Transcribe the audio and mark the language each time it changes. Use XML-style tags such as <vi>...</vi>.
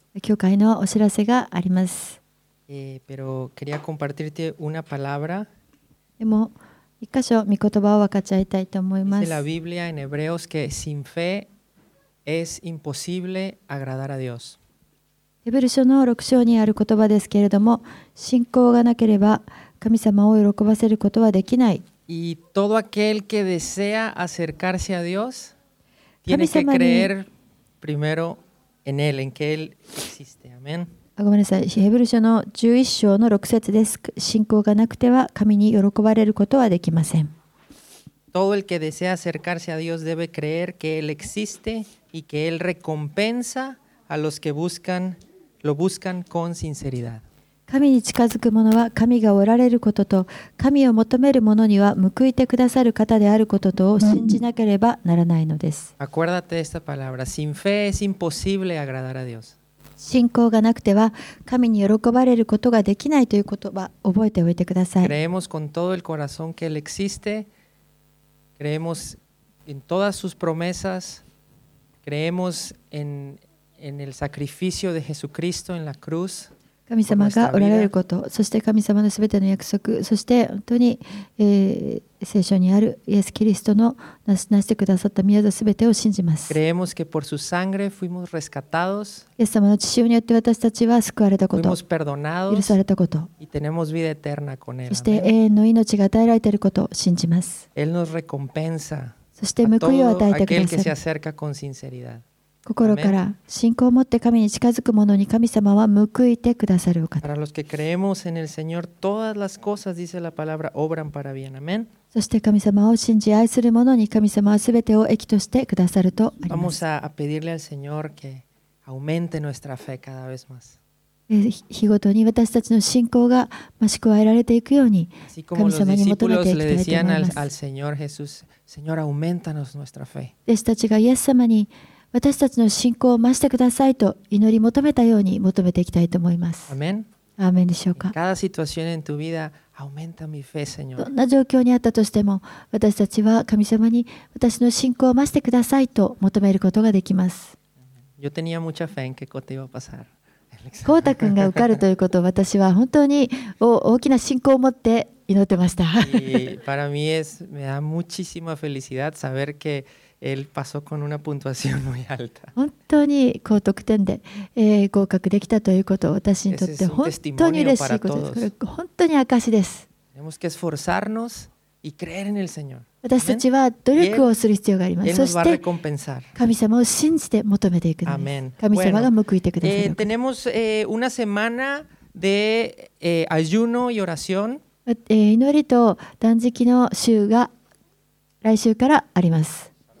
<ja>教会のお知らせがあります。</ja> <es>Pero quería compartirte una palabra.</es> <ja>でも一箇所御言葉を分かち合いたいと思います。</ja> <es>Dice la Biblia en Hebreos que sin fe es imposible agradar a Dios.</es> <ja>ヘブル書の6章にある言葉ですけれども、信仰がなければ神様を喜ばせることはできない。</ja> <es>Y todo aquel que desea acercarse a Dios tiene que creer primero en él, en que él existe. Amén.</es> <ja>ごめんなさい。ヘブル書の11章の6節です。信仰がなくては神に喜ばれることはできません。</ja> <es>Todo el que desea acercarse a Dios debe creer que él existe y que él recompensa a los que buscan, lo buscan con sinceridad.</es> <ja>神に近づく者は神がおられることと、神を求める者には報いてくださる方であることとを信じなければならないのです。</ja> <es>Acuérdate de esta palabra. Sin fe es imposible agradar a Dios.</es> <ja>信仰がなくては神に喜ばれることができないという言葉を覚えておいてください。</ja> <es>Creemos con todo el corazón que Él existe. Creemos en todas sus promesas. Creemos en el sacrificio de Jesucristo en la cruz.</es> <ja>神様がおられること、そして神様のすべての約束、そして本当に、聖書にあるイエス・キリストのなしなしてくださった御業すべてを信じます。</ja> <es>Creemos que por su sangre fuimos rescatados。</es> <ja>イエス様の血潮によって私たちは救われたこと、</ja> <es>fuimos perdonados、</es> <ja>許されたこと、</ja> <es>y tenemos vida eterna con él。</es> <ja>そして永遠の命が与えられていることを信じます。</ja> <es>Él nos recompensa。</es> <ja>そして報いを与えてくださる。</ja> <es>A todo aquel que se acerca con sinceridad。</es> <ja>心から信仰を持って神に近づく者に神様は報いてくださるお方。</ja> <es>Para los que creemos en el Señor, todas las cosas, dice la palabra, obran para bien. Amén.</es> <ja>そして神様を信じ愛する者に神様はすべてを益としてくださるとあります。</ja> <es>Vamos a pedirle al Señor que aumente nuestra fe cada vez más.</es> <ja>日ごとに私たちの信仰が増し加えられていくように神様に求めていきたいと思います。</ja> <es>Así como los discípulos le decían al Señor Jesús, Señor, aumentanos nuestra fe.</es> <ja>弟子たちがイエス様に私たちの信仰を増してくださいと祈り求めたように求めていきたいと思います。アメン。アメンでしょうか。</ja> <es>Cada situación en tu vida, aumenta mi fe, Señor.</es> <ja>どんな状況にあったとしても、私たちは神様に私の信仰を増してくださいと求めることができます。</ja> <es>Yo tenía mucha fe en que te iba a pasar.</es> <ja>コウタ君が受かるということを私は本当に大きな信仰を持って祈ってました。</ja> <es>Para mí es, me da muchísima felicidad saber que. Él pasó con una puntuación muy alta.</es> <ja>本当に高得点で、合格できたということを私にとって本当に嬉しいことです。これ本当に証です。</ja> <es>Tenemos que esforzarnos y creer en el Señor.</es> <ja>私たちは努力をする必要があります。</ja> <es>Él nos va a recompensar.</es> <ja>そして神様を信じて求めていくんです。</ja> <es>Amén.</es> <ja>神様が報いてくださる。</ja> <es>Bueno, tenemos una semana de ayuno y oración.</es> <ja>祈りと断食の週が来週からあります。</ja>